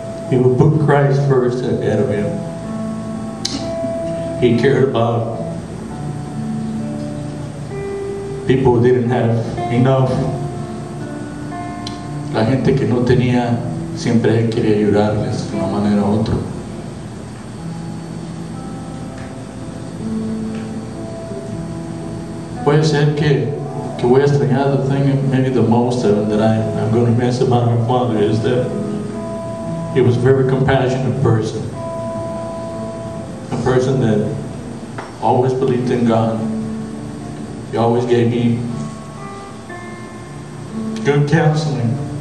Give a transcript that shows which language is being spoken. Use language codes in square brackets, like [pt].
[en] He would put Christ first ahead of him. He cared about people who didn't have enough. [es] La gente que no tenía, siempre él quería ayudarles de una manera u otra. Puede ser que voy a extrañar [en] the thing maybe the most that I'm going to miss about my father is that he was a very compassionate person. A person that always believed in God. He always gave me good counseling.